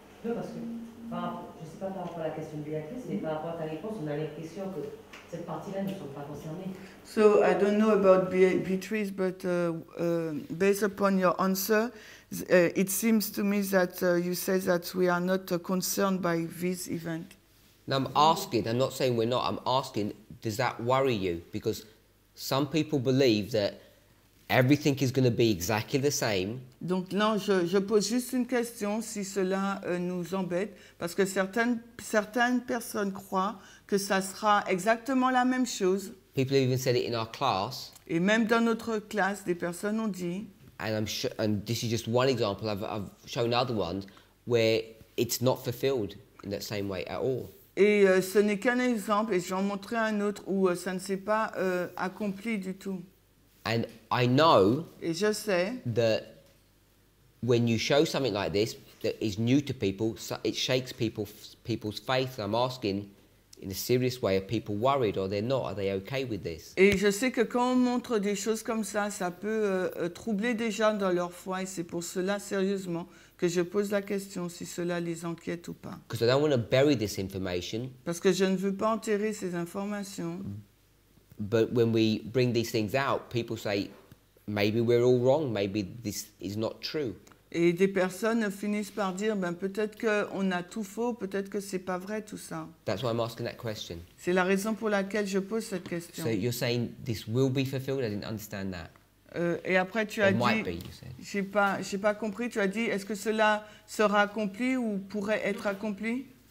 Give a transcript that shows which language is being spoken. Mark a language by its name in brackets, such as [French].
[French] Je ne sais pas par rapport à la question de Béatrice, mais par rapport à ta réponse, on a l'impression que cette partie-là ne sont pas concernées. [English] So I don't know about Beatrice, but based upon your answer, it seems to me that you say that we are not concerned by this event. Now I'm asking, I'm not saying we're not, I'm asking, does that worry you? Because some people believe that everything is going to be exactly the same. [French] Donc non, je pose juste une question si cela nous embête, parce que certaines personnes croient que ça sera exactement la même chose. [English] People have even said it in our class. [French] Et même dans notre classe, des personnes ont dit. [English] And this is just one example. I've shown other ones where it's not fulfilled in that same way at all. [French] Et ce n'est qu'un exemple, et j'en montrerai un autre où ça ne s'est pas accompli du tout. [English] And I know [French] et je sais [English] that when you show something like this that is new to people, it shakes people's faith. And I'm asking in a serious way, are people worried or they're not? Are they okay with this? [French] Et je sais que quand on montre des choses comme ça, ça peut troubler des gens dans leur foi. Et c'est pour cela, sérieusement, que je pose la question si cela les inquiète ou pas. [English] Because I don't want to bury this information. [French] Parce que je ne veux pas enterrer ces informations. [English] But when we bring these things out, people say, maybe we're all wrong, maybe this is not true. [French] Et des personnes finissent par dire, ben peut-être qu'on a tout faux, peut-être que c'est pas vrai tout ça. [English] That's why I'm asking that question. [French] C'est la raison pour laquelle je pose cette question. [English] So you're saying this will be fulfilled? I didn't understand that. [French] Et après tu as [English] it [French] dit, [English] might be, you said. [French] J'ai pas compris, tu as dit, est-ce que cela sera accompli ou pourrait être accompli?